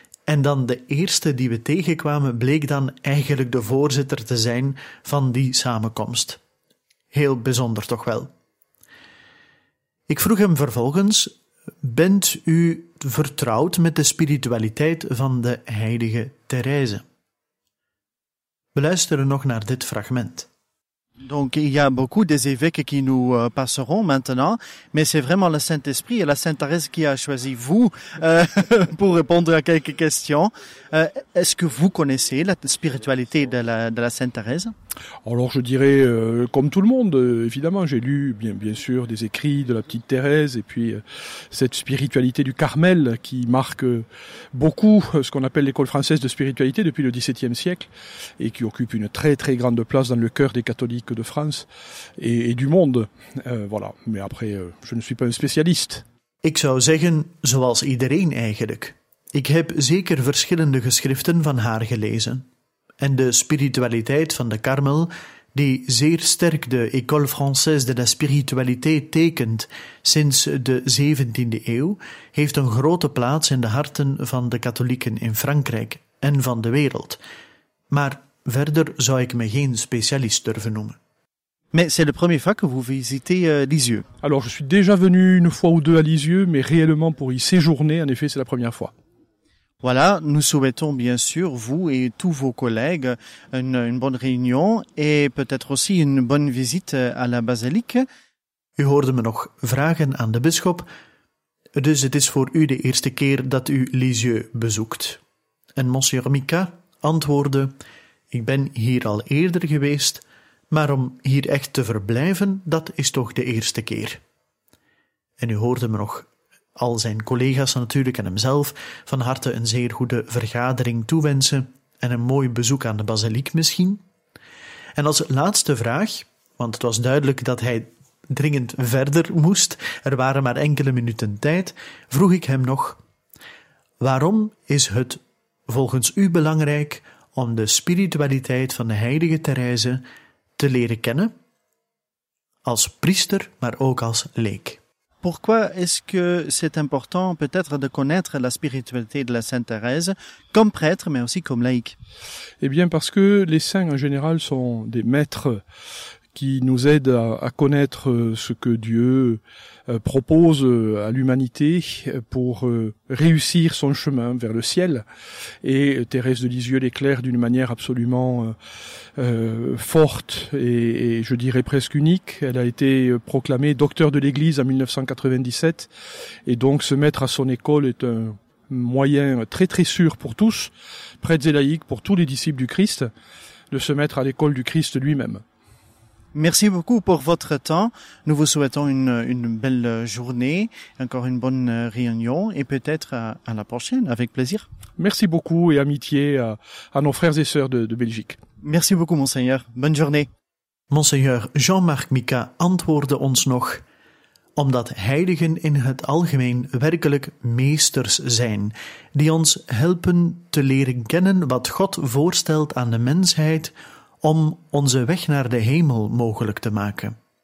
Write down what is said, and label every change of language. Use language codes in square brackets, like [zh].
[nl] En dan de eerste die we tegenkwamen bleek dan eigenlijk de voorzitter te zijn van die samenkomst. Heel bijzonder toch wel. Ik vroeg hem vervolgens: bent u vertrouwd met de spiritualiteit van de heilige Therese? We luisteren nog naar dit fragment. [fr] Donc il y a beaucoup des évêques qui nous passeront maintenant, mais c'est vraiment le Saint-Esprit et la Sainte Thérèse qui a choisi vous pour répondre à quelques questions. Est-ce que vous connaissez la spiritualité de la Sainte Thérèse? Alors je dirais, comme tout le monde, évidemment, j'ai lu bien sûr des écrits de la petite Thérèse et puis cette spiritualité du Carmel qui marque beaucoup ce qu'on appelle l'école française de spiritualité depuis le XVIIe siècle et qui occupe une très très grande place dans le cœur des catholiques de France et du monde. Voilà, mais après, je ne suis pas un spécialiste. [nl] Ik zou zeggen, zoals iedereen eigenlijk. Ik heb zeker verschillende geschriften van haar gelezen. En de spiritualiteit van de Carmel, die zeer sterk de École française de la spiritualité tekent sinds de 17e eeuw, heeft een grote plaats in de harten van de katholieken in Frankrijk en van de wereld. Maar verder zou ik me geen specialist durven noemen. [fr] Mais c'est la première fois que vous visitez Lisieux. Alors, je suis déjà venu une fois ou deux à Lisieux, mais réellement pour y séjourner, en effet, c'est la première fois. Voilà, nous souhaitons bien sûr, vous et tous vos collègues, une bonne réunion et peut-être aussi une bonne visite à la basilique. [nl] U hoorde me nog vragen aan de bisschop. Dus het is voor u de eerste keer dat u Lisieux bezoekt. En Monsieur Mika antwoordde, ik ben hier al eerder geweest, maar om hier echt te verblijven, dat is toch de eerste keer. En u hoorde me nog al zijn collega's natuurlijk en hemzelf van harte een zeer goede vergadering toewensen en een mooi bezoek aan de basiliek misschien. En als laatste vraag, want het was duidelijk dat hij dringend verder moest, er waren maar enkele minuten tijd, vroeg ik hem nog, waarom is het volgens u belangrijk om de spiritualiteit van de heilige Thérèse te leren kennen? Als priester, maar ook als leek. [fr] Pourquoi est-ce que c'est important peut-être de connaître la spiritualité de la Sainte Thérèse comme prêtre mais aussi comme laïc? Eh bien parce que les saints en général sont des maîtres qui nous aident à connaître ce que Dieu propose à l'humanité pour réussir son chemin vers le ciel. Et Thérèse de Lisieux l'éclaire d'une manière absolument forte et je dirais presque unique. Elle a été proclamée docteur de l'Église en 1997. Et donc se mettre à son école est un moyen très très sûr pour tous, prêtres et laïcs, pour tous les disciples du Christ, de se mettre à l'école du Christ lui-même. Merci beaucoup pour votre temps. Nous vous souhaitons une belle journée, encore une bonne réunion et peut-être à la prochaine, avec plaisir. Merci beaucoup et amitié à nos frères et sœurs de Belgique. Merci beaucoup, Monseigneur. Bonne journée. [nl] Monseigneur Jean-Marc Mika antwoordde ons nog, omdat heiligen in het algemeen werkelijk meesters zijn, die ons helpen te leren kennen wat God voorstelt aan de mensheid om onze weg naar de hemel mogelijk te maken.